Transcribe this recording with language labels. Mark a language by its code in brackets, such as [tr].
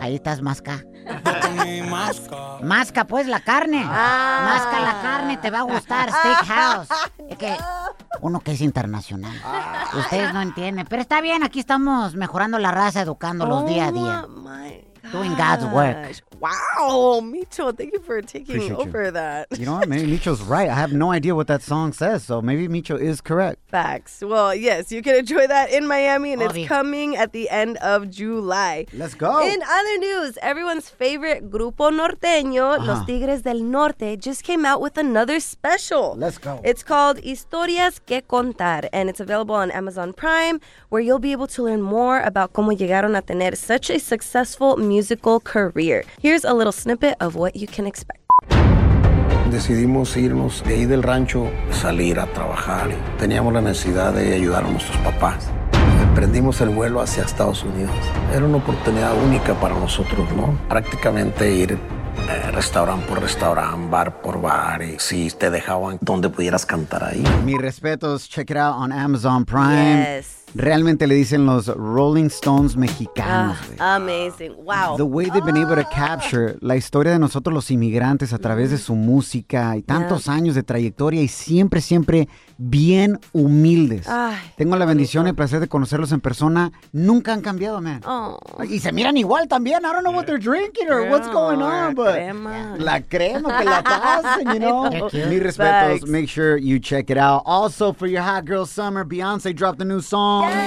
[es] Ahí estás, masca. Masca, pues, la carne. Masca la carne, te va a gustar. Steakhouse. Que uno que es internacional. Ustedes no entienden. Pero está bien, aquí estamos mejorando la raza, educándolos día a día. [en] Doing God's work. Wow, Micho, thank you for taking over that. You know what? Maybe Micho's right. I have no idea what that song says, so maybe Micho is correct. Facts. Well, yes, you can enjoy that in Miami, and it's coming at the end of July. Let's go. In other news, everyone's favorite grupo norteño, Los Tigres del Norte, just came out with another special. Let's go. It's called Historias que Contar, and it's available on Amazon Prime, where you'll be able to learn more about [es] cómo llegaron a tener [en] such a successful musical career. Here's a little snippet of what you can expect. [es] Decidimos irnos de ahí del rancho, salir a trabajar. Teníamos la necesidad de ayudar a nuestros papás. Emprendimos el vuelo hacia Estados Unidos. Era una oportunidad única para nosotros, ¿no? Prácticamente ir restaurante por restaurante, bar por bar, y si te dejaban donde pudieras cantar ahí. Mi respetos, [en] check it out on Amazon Prime. Yes. [es] Realmente le dicen los Rolling Stones mexicanos. [en] Amazing. Wow. The way they've been able to capture [es] la historia de nosotros los inmigrantes a través de su música y tantos años de trayectoria y siempre, siempre bien humildes. Tengo la bendición y el placer de conocerlos en persona. Nunca han cambiado, man. Oh. Y se miran igual también. [en] I don't know what they're drinking or what's going on, but [es] crema. La crema que la pasen, [en] you know. [es] Mis respetos. [en] Make sure you check it out. Also, for your hot girl summer, Beyoncé dropped a new song.